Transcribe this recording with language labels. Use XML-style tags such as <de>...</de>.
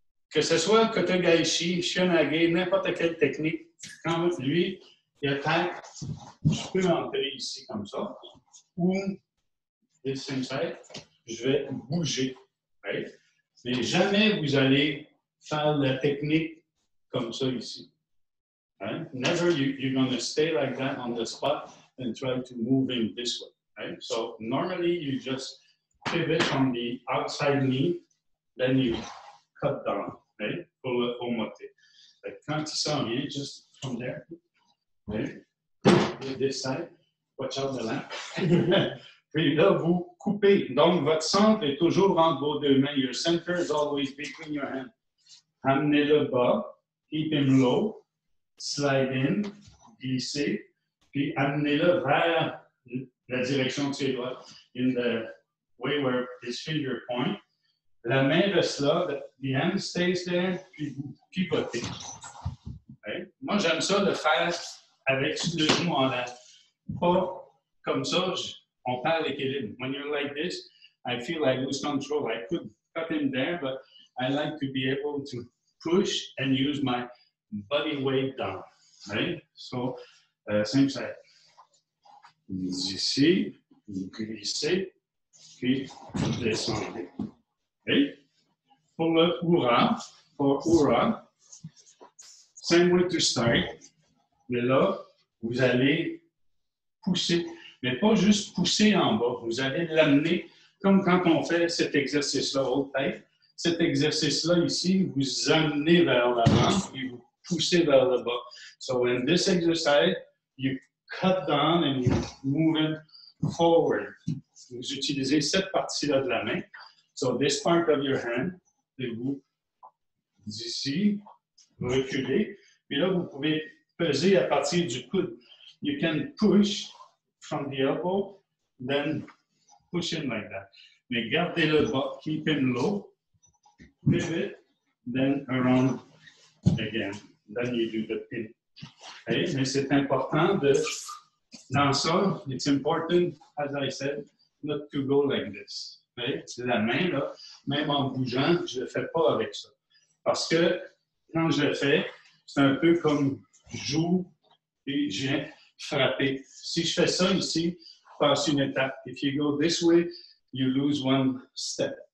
<fr>Que ce soit Kotegaishi, Shionage, n'importe quelle technique, quand lui, il attaque, je peux entrer ici comme ça, ou,</fr> <en>this same side,</en> <fr>je vais bouger. Hein? Mais jamais vous allez faire la technique comme ça ici.</fr> <en>Right? Never you're going to stay like that on the spot and try to move in this way. Right? So normally you just pivot on the outside knee, then you cut down, right?</en> <fr>Pour le haut moté.</fr> <en>Like,</en> <fr>quand il s'en vient,</fr> <en>just from there, right? This side, watch out the lamp.</en> <fr>Puis là, vous coupez. Donc, votre centre est toujours entre vos deux mains.</fr> <en>Your center is always between your hands.</en> <fr>Amenez-le bas,</fr> <en>keep him low. Slide in,</en> <fr>glisser, puis amenez-le vers la direction de ses doigts,</fr> <en>in the way where his finger point.</en> <fr>La main reste là,</fr> <en>the hand stays there,</en> <fr>puis vous pivotez. Okay? Moi, j'aime ça de faire avec le genou en l'air. Pas comme ça, on perd l'équilibre.</fr> <en>When you're like this, I feel I lose control. I could cut him there, but I like to be able to push and use my body weight down, right? So, same side.</en> <fr>D'ici, vous glissez, puis vous descendez. Okay? Pour le Ura,</fr> <en>same way to start,</en> <fr>mais là, vous allez pousser, mais pas juste pousser en bas, vous allez l'amener comme quand on fait cet exercice-là, haute-tête. Cet exercice-là ici, vous amenez vers l'avant, puis vous poussé vers le bas.</fr> <en>So in this exercise, you cut down and you move it forward.</en> <fr>Vous utilisez cette partie-là de la main.</fr> <en>So this part of your hand,</en> <fr>c'est vous, d'ici, reculez. Puis là, vous pouvez peser à partir du coude.</fr> <en>You can push from the elbow, then push in like that.</en> <fr>Mais gardez le bas,</fr> <en>keep him low, pivot, then around again. Then you do the pin. Okay?</en> <fr>Mais c'est important de, dans ça,</fr> <en>it's important, as I said, not to go like this. Okay?</en> <fr>C'est la main, là, même en bougeant, je ne le fais pas avec ça. Parce que quand je le fais, c'est un peu comme je joue et je viens frapper. Si je fais ça ici, je passe une étape.</fr> <en>If you go this way, you lose one step.</en>